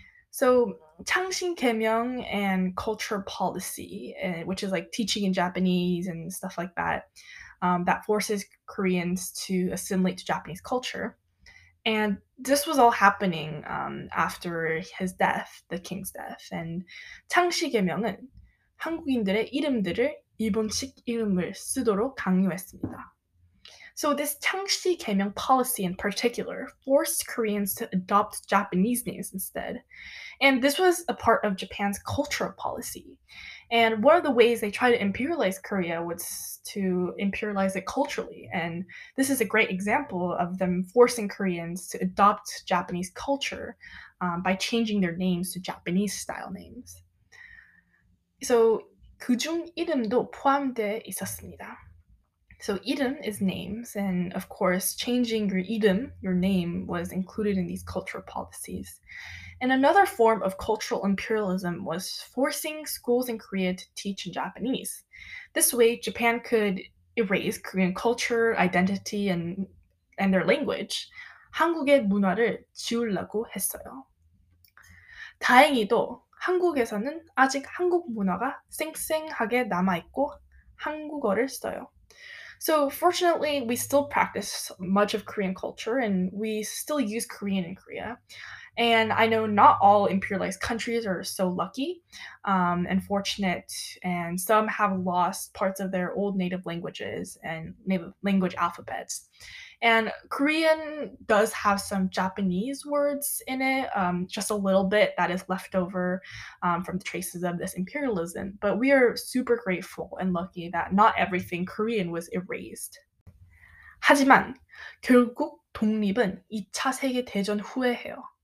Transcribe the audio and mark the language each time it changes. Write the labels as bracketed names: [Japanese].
[English] So Changshi Kaemyeong and culture policy, which is like teaching in Japanese and stuff like that, that forces Koreans to assimilate to Japanese culture. And this was all happening after his death, the king's death. [Korean] And 창씨 개명은 한국인들의 이름들을 일본식 이름을 쓰도록 강요했습니다. [English] So this 창씨 개명 policy in particular forced Koreans to adopt Japanese names instead. And this was a part of Japan's cultural policy. And one of the ways they tried to imperialize Korea was to imperialize it culturally. And this is a great example of them forcing Koreans to adopt Japanese culture by changing their names to Japanese style names. [Korean] So 그중 이름도 포함되어 있었습니다. [English] So 이름 is names, and of course, changing your 이름, your name, was included in these cultural policies. And another form of cultural imperialism was forcing schools in Korea to teach in Japanese. This way, Japan could erase Korean culture, identity, and their language. [Korean] 한국의 문화를 지우려고 했어요. 다행히도 한국에서는 아직 한국 문화가 생생하게 남아있고 한국어를 써요. [English] So fortunately, we still practice much of Korean culture, and we still use Korean in Korea. And I know not all imperialized countries are so lucky and fortunate, and some have lost parts of their old native languages and language alphabets. And Korean does have some Japanese words in it, just a little bit that is left over from the traces of this imperialism. But we are super grateful and lucky that not everything Korean was erased. [Korean] 하지만 결국 독립은 2차 세계 대전 후에 해요.